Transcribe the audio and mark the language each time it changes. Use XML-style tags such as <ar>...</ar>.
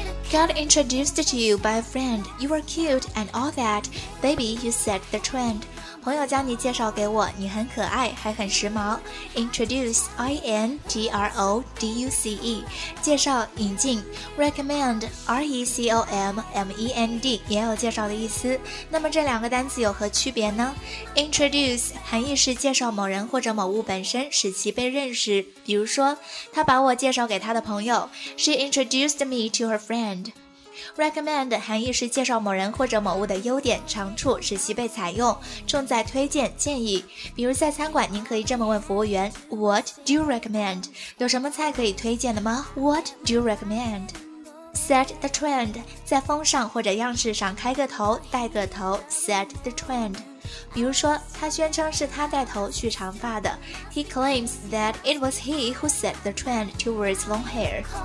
<en>Got introduced to you by a friend. You were cute and all that. Baby, you set the trend.</en> <zh>朋友将你介绍给我，你很可爱，还很时髦。</zh> <en>Introduce, introduce,</en> <zh>介绍、引进。</zh> <en>Recommend, recommend,</en> <zh>也有介绍的意思。那么这两个单词有何区别呢？Introduce, 含义是介绍某人或者某物本身，使其被认识。比如说，他把我介绍给他的朋友。</zh> <en>She introduced me to her friend.</en> <zh>Recommend 含义是介绍某人或者某物的优点、长处，使其被采用，重在推荐、建议。比如在餐馆，您可以这么问服务员</zh> <en>What do you recommend?</en> <zh>有什么菜可以推荐的吗？</zh> <en>What do you recommend? Set the trend</en> <zh>在风尚或者样式上开个头、带个头 Set the trend。比如说，他宣称是他带头去长发的。</zh> <en>He claims that it was he who set the trend towards long hair.</en>